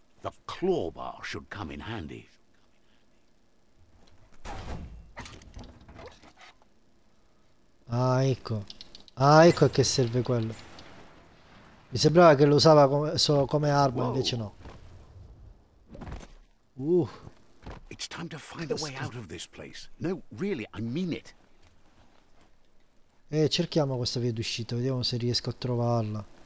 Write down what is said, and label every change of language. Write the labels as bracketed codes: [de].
[en] The claw bar should come in handy. [it] Ah, ecco. Ah, ecco a che serve quello. Mi sembrava che lo usava come, solo come arma, invece no. [en] It's time to find a way out of this place. No, really, I mean it. [it] Cerchiamo questa via d'uscita, vediamo se riesco a trovarla.